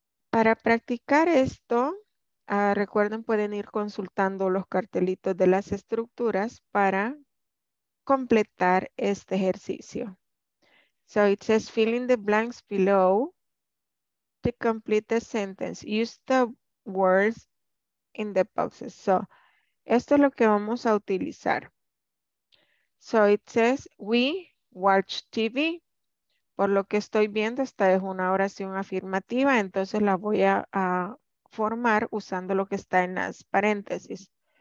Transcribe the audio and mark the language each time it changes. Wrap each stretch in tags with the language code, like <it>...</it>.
<es>Para practicar esto, recuerden, pueden ir consultando los cartelitos de las estructuras para completar este ejercicio.</es> <en>So it says, fill in the blanks below to complete the sentence. Use the words in the boxes.</en> <es>So, esto es lo que vamos a utilizar.</es> <en>So it says, we watch TV.</en> <es>Por lo que estoy viendo, esta es una oración afirmativa, entonces la voy a formar usando lo que está en las paréntesis.</es>